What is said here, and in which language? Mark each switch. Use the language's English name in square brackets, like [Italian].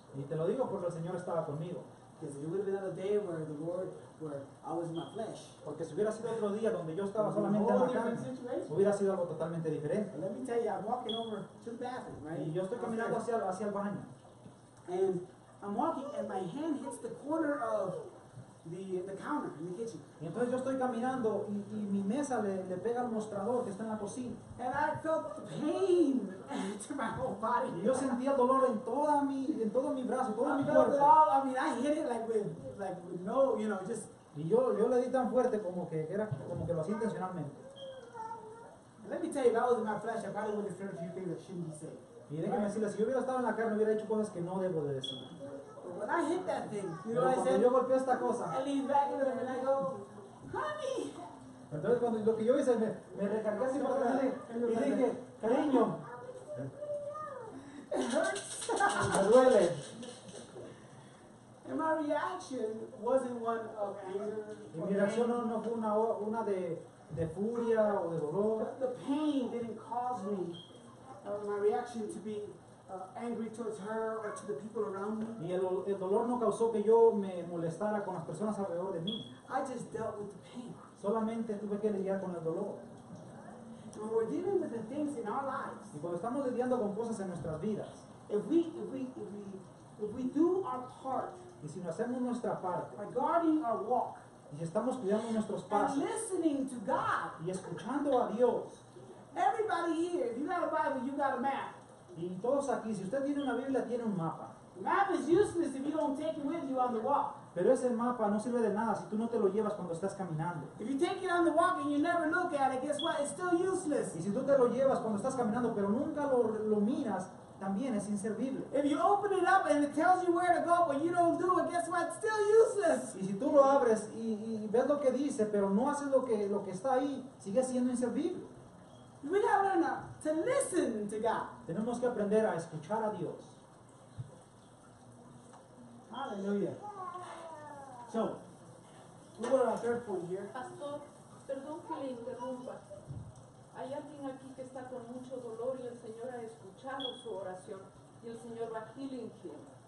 [Spanish] Y te lo digo porque el Señor estaba conmigo. [English] Because it would have been another day where the Lord, where I was in my flesh. [Spanish] Porque si hubiera sido otro día donde yo estaba solamente en la carne, hubiera sido algo totalmente diferente. [English] Let me tell you, I'm walking over to the bathroom, right? [Spanish] Y yo estoy caminando hacia el baño. [English] And I'm walking and my hand hits the corner of the counter in the kitchen. [Spanish] Y entonces yo estoy caminando y mi mesa le pega al mostrador que está en la cocina. [English] And I felt the pain to my whole body. [Spanish] Y yo sentí el dolor en todo mi brazo, todo mi cuerpo. [English] I hit it like with no, you know, just. [Spanish] Y yo le di tan fuerte como que era como que lo hacía intencionalmente. [English] Let me tell you, if I was in my flesh, I probably would have said a few things that shouldn't be said. [Spanish] Y déjame decirle, si yo hubiera estado en la carne, hubiera hecho cosas que no debo de decir. [English] When I hit that thing, you know what I said? [Spanish] Yo golpeé esta cosa. [English] I lean back into them and I go, honey. [Spanish] Entonces, cuando lo que yo hice, me recargué así para atrás y dije, cariño. [English] It hurts. [Spanish] Me duele. [English] And my reaction wasn't one of anger. [Spanish] Y mi reacción no fue una de furia o de dolor. [English] The pain didn't cause me. My reaction to be angry towards her or to the people around me. [Spanish] Y el dolor no causó que yo me molestara con las personas alrededor de mí. [English] I just dealt with the pain. [Spanish] Solamente tuve que lidiar con el dolor. [English] When we're dealing with the things in our lives. [Spanish] Y cuando estamos lidiando con cosas en nuestras vidas. [English] If we do our part. [Spanish] Y si no hacemos nuestra parte. [English] By guarding our walk. [Spanish] Y si estamos cuidando nuestros pasos. [English] And listening to God. [Spanish] Y escuchando a Dios. [English] Everybody here, if you got a Bible, you got a map. [Spanish] Y todos aquí, si usted tiene una Biblia, tiene un mapa. [English] The map is useless if you don't take it with you on the walk. [Spanish] Pero ese mapa no sirve de nada si tú no te lo llevas cuando estás caminando. [English] If you take it on the walk and you never look at it, guess what? It's still useless. [Spanish] Y si tú te lo llevas cuando estás caminando, pero nunca lo miras, también es inservible. [English] If you open it up and it tells you where to go, but you don't do it, guess what? It's still useless. [Spanish] Y si tú lo abres y ves lo que dice, pero no haces lo que está ahí, sigue siendo inservible. [English] We gotta learn to listen to God. [Spanish] Tenemos que aprender a escuchar a Dios. [English] Hallelujah. So, we're going to our third point here. [Spanish] Pastor, perdón que le interrumpa. Hay alguien aquí que está con mucho dolor y el Señor ha escuchado su oración y el Señor va [English] healing him.